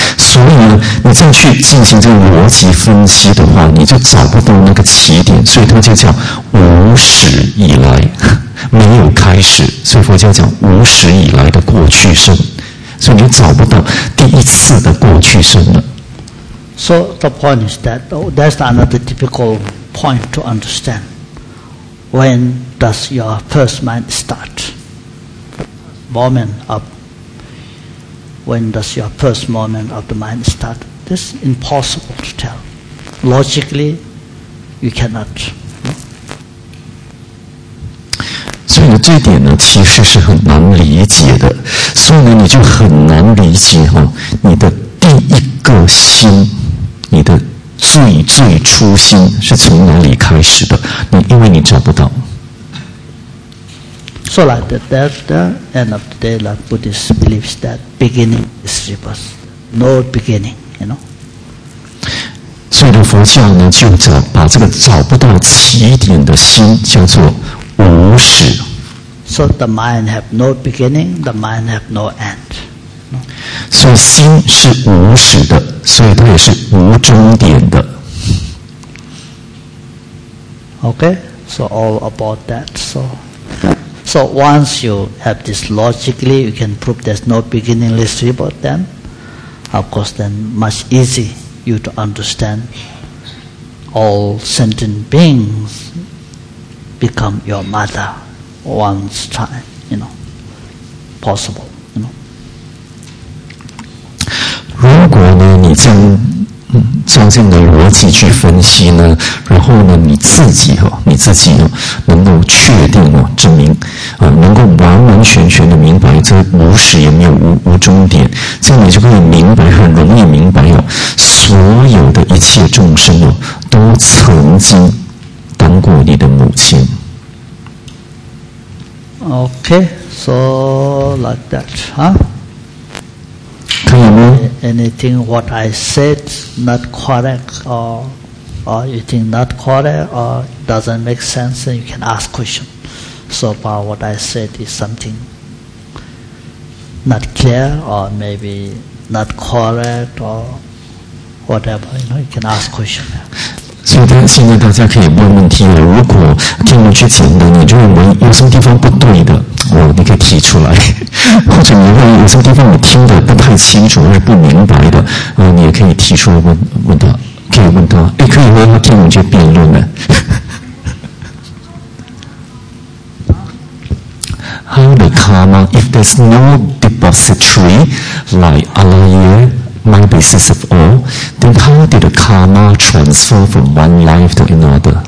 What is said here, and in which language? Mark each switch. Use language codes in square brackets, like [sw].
[zh] 所以呢，你再去进行这个逻辑分析的话，你就找不到那个起点，所以它就叫。无始以来没有开始，所以佛教讲无始以来的过去生，所以你找不到第一次的过去生了。 [en] So the point is that that's another typical point to understand. When does your first mind start? Moment of when does your first moment of the mind start? This is impossible to tell. Logically, you cannot. [zh] 所以这点呢，其实是很难理解的。所以呢，你就很难理解哈、哦，你的第一个心，你的最最初心是从哪里开始的？你因为你找不到。 [en] So like that, that the end of the day, like Buddhist believes that beginning is rebirth, no beginning, you know. [zh] 所以呢，佛教呢就把这个找不到起点的心叫做。无始 [en] So the mind have no beginning, the mind have no end. [zh] 所以心是无始的，所以它也是无终点的。 [en] Okay, so all about that. So once you have this logically, you can prove there's no beginningless rebirth, then, of course, then much easy you to understand all sentient beings. Become your mother once time, you know, possible, you know. [zh] 如果呢，你将这样的逻辑去分析呢，然后呢，你自己哦，能够确定哦，证明啊、能够完完全全的明白这无始也没有无终点，这样你就可以明白，很容易明白哦，所有的一切众生哦，都曾经。当过你的母亲。 [en] Okay, so like that, huh? [zh] 可以吗 [en] ？Anything what I said not correct, or you think not correct, or doesn't make sense, then you can ask question. So far, what I said is something not clear, or maybe not correct, or whatever. You know, you can ask question. [zh] 所以现在大家可以问问题了，如果听不去讲的，你就认为有什么地方不对的、哦、你可以提出来，或者你会有什么地方你听的不太清楚或者不明白的、你也可以提出问问他，可以以问他，你可以问他听我们这辩论呢。 [en] How the karma, if there's no depository like Alaya, my basis of all, then how did the karma transfer from one life to another?